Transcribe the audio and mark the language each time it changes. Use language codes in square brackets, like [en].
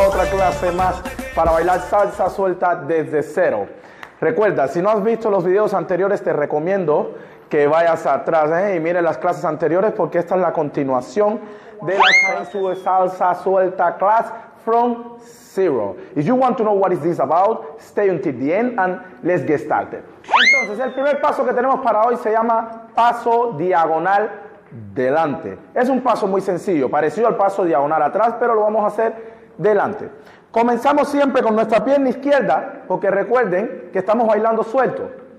[es] clase más para bailar salsa suelta desde cero. Recuerda, si no has visto los videos anteriores, te recomiendo que vayas atrás y mire las clases anteriores, porque esta es la continuación de la salsa suelta [en] class from zero. If you want to know what is this about, stay until the end and let's get started. [es] Entonces, el primer paso que tenemos para hoy se llama paso diagonal delante. Es un paso muy sencillo, parecido al paso diagonal atrás, pero lo vamos a hacer delante. Comenzamos siempre con nuestra pierna izquierda, porque recuerden que estamos bailando suelto.